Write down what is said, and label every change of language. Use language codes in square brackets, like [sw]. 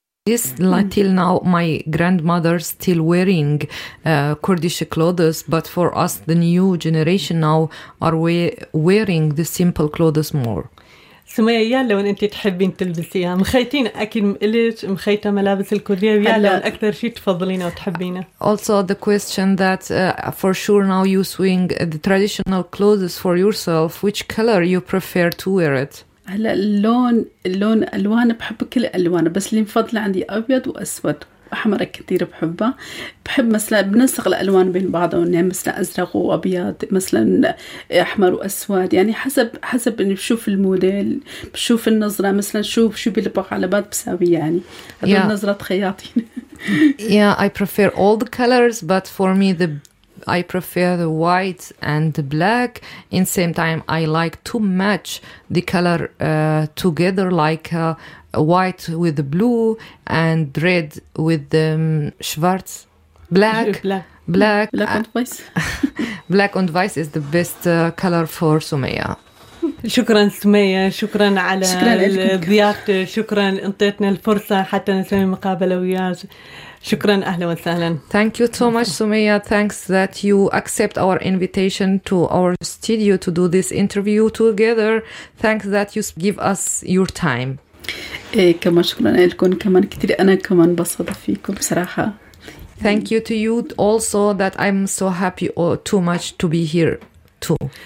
[en] This until now, my grandmother still wearing Kurdish clothes, but for us, the new generation now are wearing the simple clothes more. [ar] سمية يا لون أنتي تحبين تلبسيها مخيتين أكيد ليش مخيتة ملابس الكردية يا لون أكثر شيء تفضلينه وتحبينه. [en] Also the question that for sure now you swing the traditional clothes for yourself, which color you prefer to wear it? [ar] هلا اللون الوان بحب كل الوان بس اللي مفضلة عندي ابيض واسود احمر كثير بحبه بحب مثلا بنسق الالوان بين بعضها يعني مثلا ازرق وابيض مثلا احمر واسود يعني حسب اني بشوف الموديل بشوف النظره مثلا شو بيلبق على بعض بساوي يعني هذول yeah. نظره خياطين [en] yeah I prefer all the colors but for me I prefer the white and the black. In same time, I like to match the color together, like white with the blue and red with the schwarz. Black on vice is the best color for Sumaya. [ar] شكرا سمية شكرا على الضيافة شكرا انطيتنا الفرصة حتى نسوي مقابلة وياك شكرا أهلا وسهلا [en] Thank you so much Sumaya Thanks that you accept our invitation to our studio to do this interview together Thanks that you give us your time [ar] إيه كمان شكرا لكم كمان كتير أنا كمان بصدق فيكم بصراحة [en] Thank you to you also that I'm so happy too much to be here too